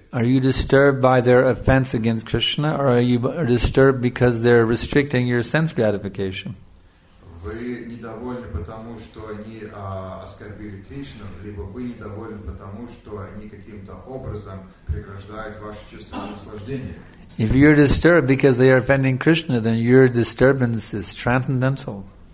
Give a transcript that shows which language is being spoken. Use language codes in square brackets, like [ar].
[en] Are you disturbed by their offense against Krishna, or are you disturbed because they're restricting your sense gratification? [ru] Вы недовольны потому, что они оскорбили Кришну, либо вы недовольны потому, что они каким-то образом преграждают ваше чувство наслаждения? [en] If you're disturbed because they are offending Krishna, then your disturbance is transcendental.